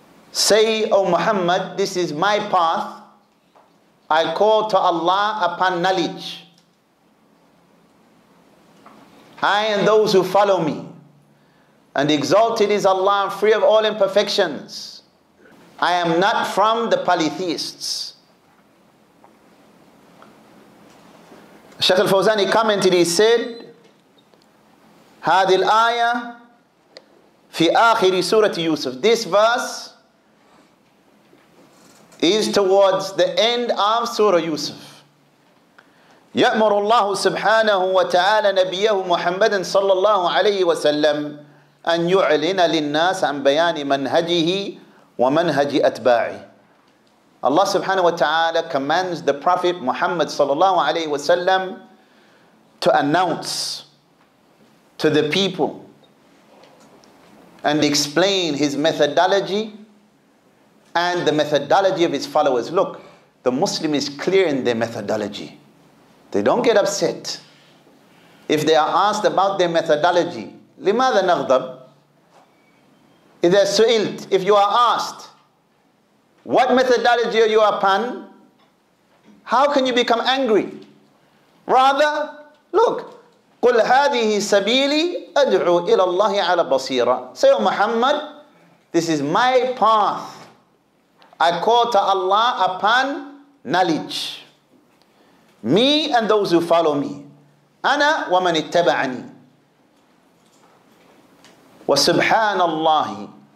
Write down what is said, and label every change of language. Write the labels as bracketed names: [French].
[English] Say, O Muhammad, this is my path. I call to Allah upon knowledge. I and those who follow me. And exalted is Allah, free of all imperfections. I am not from the polytheists. Shaykh al-Fawzani commented, he said, [Arabic] هذه الآية في آخر سورة يوسف. [English] This verse is towards the end of Surah Yusuf. [Arabic] يأمر الله سبحانه وتعالى نبيه محمد صلى الله عليه وسلم أن يعلن للناس عن بيان منهجه ومنهج أتباعه. [English] Allah subhanahu wa ta'ala commands the Prophet Muhammad صلى الله عليه وسلم to announce to the people and explain his methodology and the methodology of his followers. Look, the Muslim is clear in their methodology. They don't get upset if they are asked about their methodology. [Arabic] لماذا نغضب؟ إذا سئلت, [English] if you are asked, What methodology are you upon? How can you become angry? Rather, look, [Arabic] قُلْ هَذِهِ سَبِيلِي أَدْعُوا إِلَى اللَّهِ عَلَى بَصِيرًا. [English] Say, O Muhammad, this is my path. I call to Allah upon knowledge. Me and those who follow me. [Arabic] أَنَا وَمَنِ اتَّبَعَنِي وَسُبْحَانَ اللَّهِ.